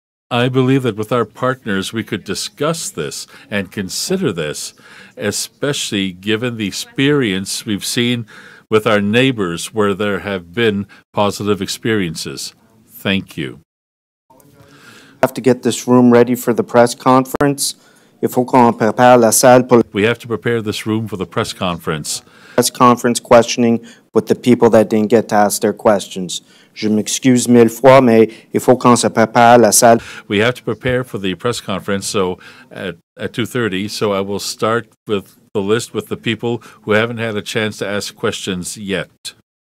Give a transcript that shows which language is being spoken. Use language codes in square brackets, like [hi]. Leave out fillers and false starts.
[en] I believe that with our partners, we could discuss this and consider this, especially given the experience we've seen with our neighbors where there have been positive experiences. Thank you. We have to get this room ready for the press conference. [fr] Il faut qu'on prépare la salle pour [en] we have to prepare this room for the press conference. Press conference questioning with the people that didn't get to ask their questions. [fr] Je m'excuse mille fois, mais il faut qu'on se prépare la salle. [en] We have to prepare for the press conference so at 2:30, so I will start with the list with the people who haven't had a chance to ask questions yet.